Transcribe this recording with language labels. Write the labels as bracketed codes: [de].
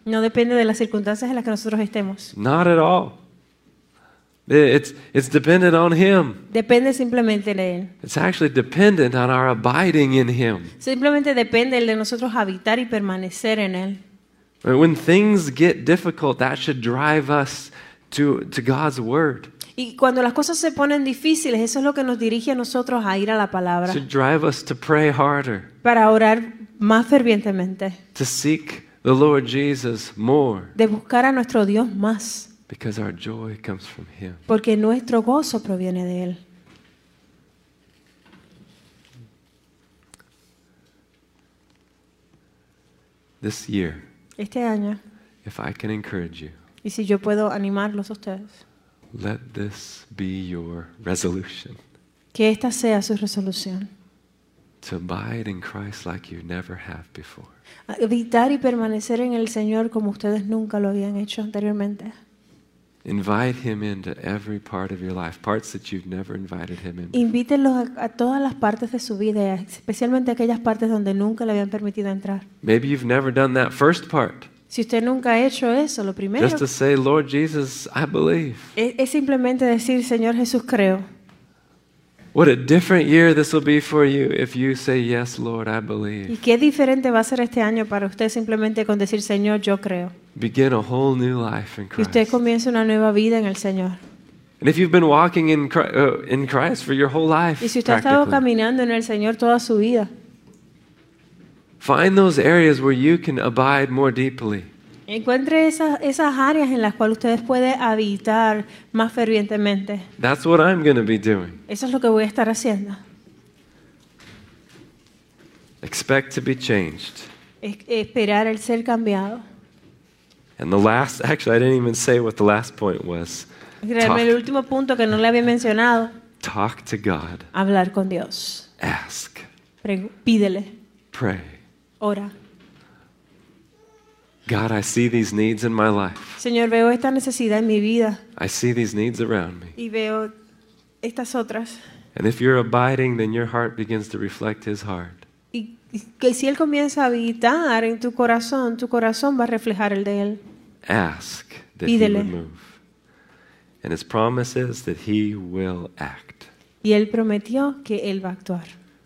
[es] No depende de las circunstancias en las que nosotros estemos. [en] Not at all. It's dependent on him. [es] Depende simplemente de él. [en] It's actually dependent on our abiding in him. [es] Simplemente depende el de nosotros habitar y permanecer en él. [en] When things get difficult, that should drive us to God's word. [es] Y cuando las cosas se ponen difíciles, eso es lo que nos dirige a nosotros a ir a la palabra. [en] Should drive us to pray harder. [es] Para orar más fervientemente. [en] To seek the Lord Jesus more. [es] De buscar a nuestro Dios más. [en] Because our joy comes from him. [es] Porque nuestro gozo proviene de él. [en] This year. [es] Este año. [en] If I can encourage you. [es] Y si yo puedo animarlos a ustedes. [en] Let this be your resolution. [es] Que esta sea su resolución. [en] To abide in Christ like you never have before. [es] Habitar y permanecer en el Señor como ustedes nunca lo habían hecho anteriormente. [en] Invite him into every part of your life, parts that you've never invited him in. [es] Invítelo a todas las partes de su vida, especialmente aquellas partes donde nunca le habían permitido entrar. [en] Maybe you've never done that first part. [es] Si usted nunca ha hecho eso, lo primero. [en] Just to say, Lord Jesus, I believe. [es] Es simplemente decir, Señor Jesús, creo. [en] What a different year this will be for you if you say yes, Lord, I believe. [es] ¿Y qué diferente va a ser este año para usted simplemente con decir, Señor, yo creo? [en] Begin a whole new life in Christ. [es] Y usted comienza una nueva vida en el Señor. [en] And if you've been walking in Christ for your whole life, [es] y si usted ha estado caminando en el Señor toda su vida, [en] find those areas where you can abide more deeply. [es] Encuentre esas áreas en las cuales ustedes pueden habitar más fervientemente. [en] That's what I'm going to be doing. [es] Eso es lo que voy a estar haciendo. [en] Expect to be changed. [es] Esperar el ser cambiado. [en] And the last, actually, I didn't even say what the last point was. [es] Talk, el último punto que no le había mencionado. [en] Talk to God. [es] Hablar con Dios. [en] Ask. [es] Pídele. [en] Pray. [es] Ora. [en] God, I see these needs in my life. [es] Señor, veo esta necesidad en mi vida. [en] I see these needs around me. [es] Y veo estas otras. [en] And if you're abiding, then your heart begins to reflect His heart. [es] Y que si Él comienza a habitar en tu corazón va a reflejar el de Él. [en] Ask that [es] Pídele. [en] He would move. And His promise is that He will act. [es] Y Él prometió que Él va a actuar.